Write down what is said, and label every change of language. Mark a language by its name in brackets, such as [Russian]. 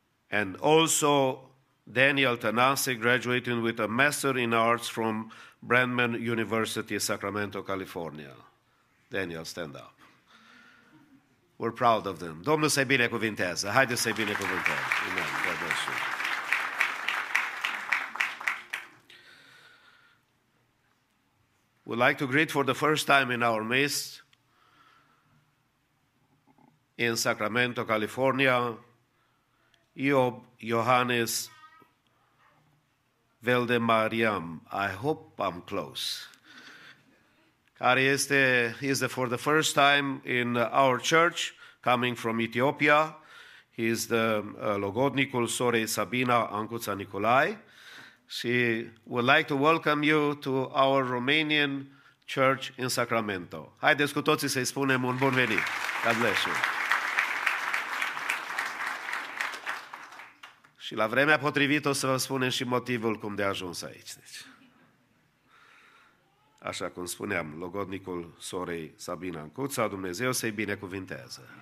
[English] And also Daniel Tanase, graduating with a Master in Arts from Brandman University, Sacramento, California. Daniel, stand up. We're proud of them. [Romanian] Domnul să-i binecuvinteze. Haideți să-i binecuvinteze. [English] Amen. God bless you. We'd like to greet for the first time in our midst in Sacramento, California, Iob Johannes Veldemariam. I hope I'm close. [Romanian] Care este, [English] is the, for the first time in our church, coming from Ethiopia. He is the [Romanian] logodnicul sorei [English] Sabina Ancuța Nicolae. She would like to welcome you to our Romanian church in Sacramento. [Romanian] Haideți cu toții să-i spunem un bun venit. [English] God bless you. [Romanian] Și la vremea potrivită o să vă spunem și motivul cum de ajuns aici. Deci. așa cum spuneam, logodnicul sorei Sabina Ancuța, Dumnezeu să-i binecuvinteze.